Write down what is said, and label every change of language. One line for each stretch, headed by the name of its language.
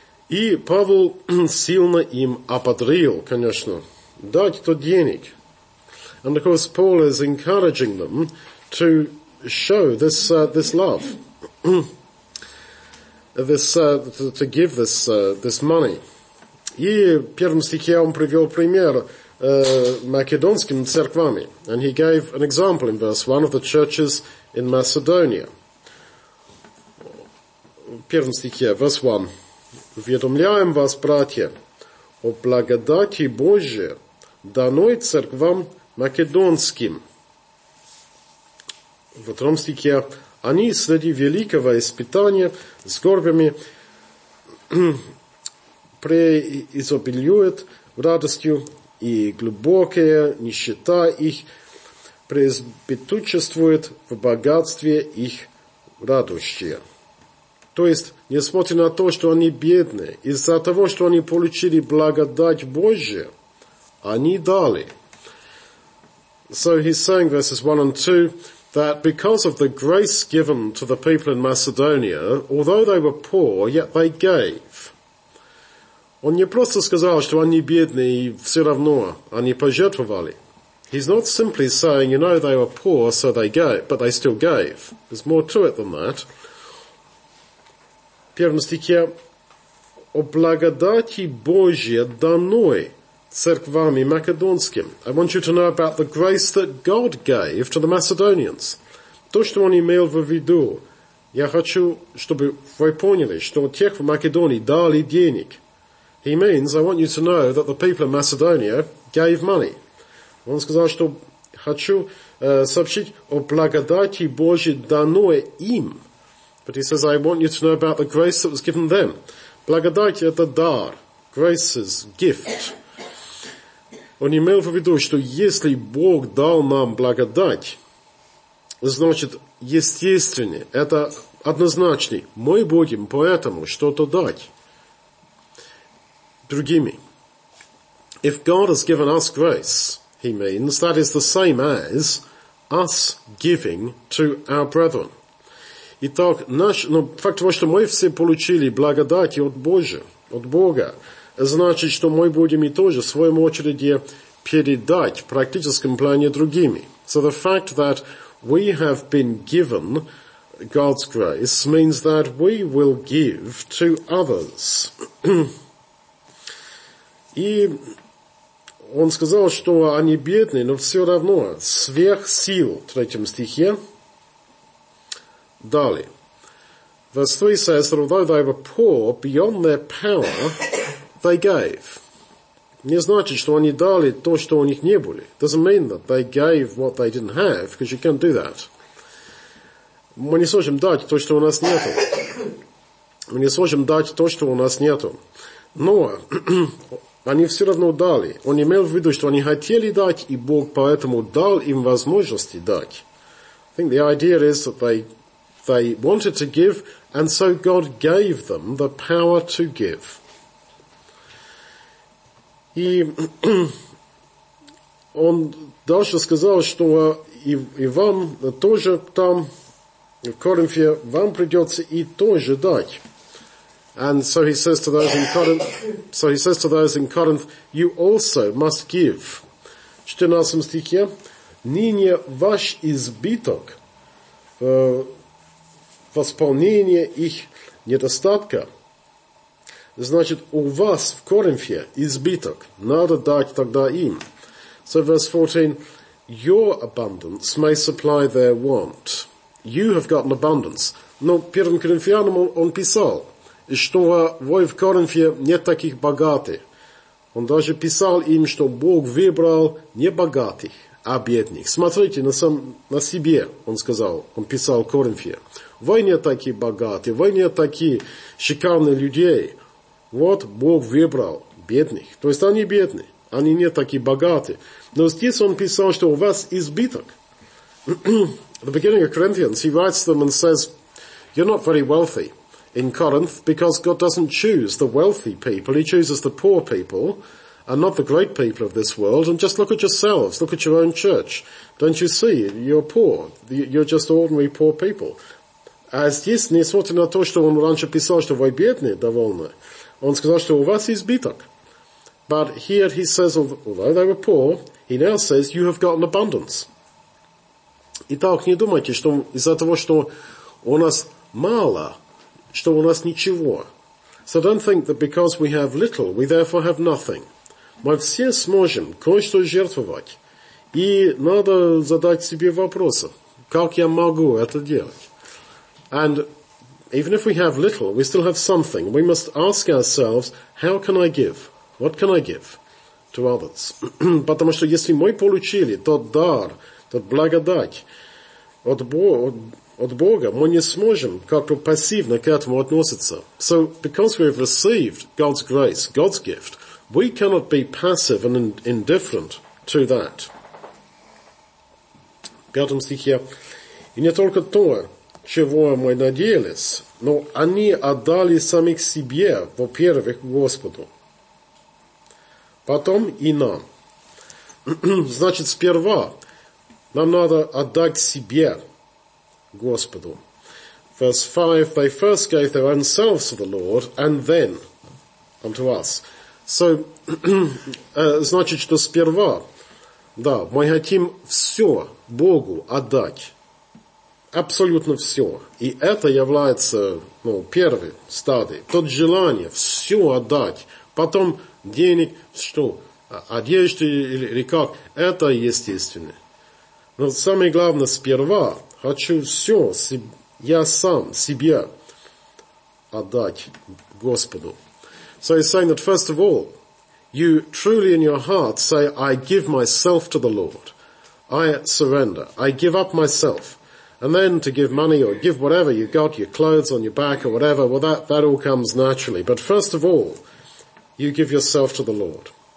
Russian: И Павел сильно им ободрил, конечно, дать то денег.
English: And of course, Paul is encouraging them to show this this love, this to give this this money.
Russian: И в первом стихе он привел пример македонским церквами.
English: And he gave an example in verse 1 of the churches in Macedonia.
Russian: В первом стихе,
English: verse 1.
Russian: «Уведомляем вас, братья, о благодати Божией, данной церквам македонским». В втором стихе «Они среди великого испытания с горбами преизобилюют радостью, и глубокая нищета их преизбыточествует в богатстве их радущие». То есть, несмотря на то, что они бедны, из-за того, что они получили благодать Божию, они дали.
English: So he's saying, verses 1 and 2, that because of the grace given to the people in Macedonia, although they were poor, yet they gave.
Russian: Он не просто сказал, что они бедны, и все равно они пожертвовали.
English: He's not simply saying, you know, they were poor, so they gave, but they still gave. There's more to it than that.
Russian: В первом стихе «О благодати Божией данной церквами македонским».
English: I want you to know about the grace that God gave to the Macedonians.
Russian: То, что он имел в виду, я хочу, чтобы вы поняли, что тех в Македонии дали денег.
English: He means, I want you to know that the people of Macedonia gave money.
Russian: Он сказал, что хочу сообщить «О благодати Божией данной им».
English: But he says, I want you to know about the grace that was given them.
Russian: Благодать – это дар.
English: Grace is gift.
Russian: Он имел в виду, что если Бог дал нам благодать, значит, естественно, это однозначно. Мы будем поэтому что-то дать другими.
English: If God has given us grace, he means, that is the same as us giving to our brethren.
Russian: Итак, факт того, что мы все получили благодать от Божия, от Бога, значит, что мы будем и тоже в своем очереди передать в практическом плане другими.
English: So the fact that we have been given God's grace means that we will give to others.
Russian: И он сказал, что они бедны, но все равно сверх сил, в третьем стихе, дали.
English: Verse 3 says that although they were poor, beyond their power, they gave.
Russian: Не значит, что они дали то, что у них не было.
English: Doesn't mean that they gave what they didn't have, because you can't do that.
Russian: Мы не сможем дать то, что у нас нету. Мы не сможем дать то, что у нас нету. Но они все равно дали. Он имел в виду, что они хотели дать, и Бог поэтому дал им возможности дать.
English: I think the idea is that they they wanted to give, and so God gave them the power to give.
Russian: И он дальше сказал, что и вам тоже там, в Коринфе, вам придется и тоже дать.
English: And so he says to those in Corinth, you also must give.
Russian: 14 стихе. Ныне ваш избиток, восполнение их недостатка. Значит, у вас в Коринфе избиток. Надо дать тогда им.
English: So verse 14, your abundance may supply their want. You have got an abundance.
Russian: Но первым коринфянам он писал, что вы в Коринфе не таких богатых. Он даже писал им, что Бог выбрал не богатых, а бедных. Смотрите на себе, он сказал, он писал Коринфе. Вы не такие богатые, вы не такие шикарные людей. Вот Бог выбрал бедных. То есть они бедные, они не такие богатые. Но здесь он писал, что у вас избиток.
English: At the beginning of Corinthians, he writes them and says, you're not very wealthy in Corinth because God doesn't choose the wealthy people. He chooses the poor people and not the great people of this world. And just look at yourselves. Look at your own church. Don't you see? You're poor. You're just ordinary poor people.
Russian: А здесь, несмотря на то, что он раньше писал, что вы бедные довольно, он сказал, что у вас избиток.
English: But here he says, although they were poor, he now says, you have got an abundance.
Russian: Итак, не думайте, что из-за того, что у нас мало, что у нас ничего.
English: So don't think that because we have little, we therefore have nothing.
Russian: Мы все сможем кое-что жертвовать. И надо задать себе вопрос, как я могу это делать?
English: And even if we have little, we still have something. We must ask ourselves, how can I give? What can I give to others?
Russian: Потому что если мы получили тот дар, тот благодать от Бога, мы не сможем как-то пассивно к этому относиться.
English: So, because we have received God's grace, God's gift, we cannot be passive and indifferent to that.
Russian: Пятом стихе. И не только то, чего мы надеялись, но они отдали самих себе, во-первых, Господу. Потом и нам. Значит, сперва нам надо отдать себе Господу.
English: Verse 5, they first gave their own selves to the Lord, and then unto us.
Russian: So, значит, что сперва, да, мы хотим все Богу отдать. Абсолютно все. И это является, ну, первой стадией. Тот желание все отдать. Потом денег, что, одежды или как, это естественно. Но самое главное, сперва хочу все, я сам себя отдать Господу.
English: So he's saying that first of all, you truly in your heart say, I give myself to the Lord. I surrender. I give up myself. And then to give money or give whatever you got, your clothes on your back or whatever, well, that all comes naturally. But first of all, you give yourself to the Lord.